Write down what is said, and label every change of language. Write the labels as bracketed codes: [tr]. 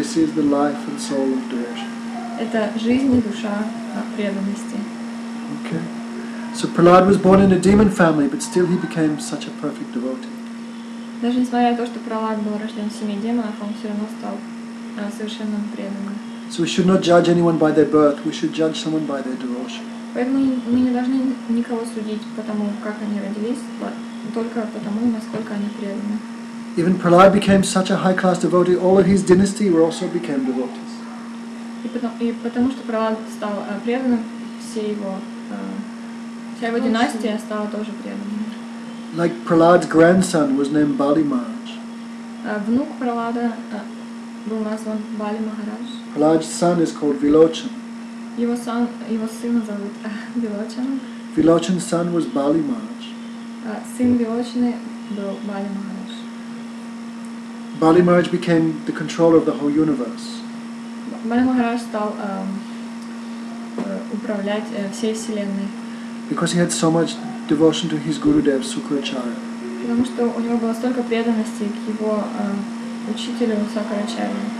[en] This is the life and soul of devotion. [ru] Это жизнь и душа преданности. [en] Okay. So Prahlad was born in a demon family, but still he became such a perfect devotee. [ru] Даже несмотря на то, что Прохлад был рожден в семье демонов, он все равно стал совершенно преданным. [en] So we should not judge anyone by their birth. We should judge someone by their devotion. [ru] Поэтому мы не должны никого судить по тому, как они родились, только потому, насколько они преданы. [en] Even Prahlad became such a high-class devotee. All of his dynasty were also became devotees. [ru] И потому что Прохлад стал преданным, все его вся его династия стала тоже преданной. [en] Like Prahlad's grandson was named Bali Maharaj. [ru] Внук Прохлада был назван Бали Махарадж. [en] Prahlad's son is called Vilochan. [ru] Его сына зовут Vilochan. [en] Vilochan's son was Bali Maharaj. [ru] Сын Vilochana был Бали Махарадж. [en] Bali Maharaj became the controller of the whole universe. [ru] Бали Махарадж стал управлять всей вселенной. [en] Because he had so much devotion to his Gurudev, Sukracharya. [ru] Потому что у него было столько преданности к его учителю Сукрачарье.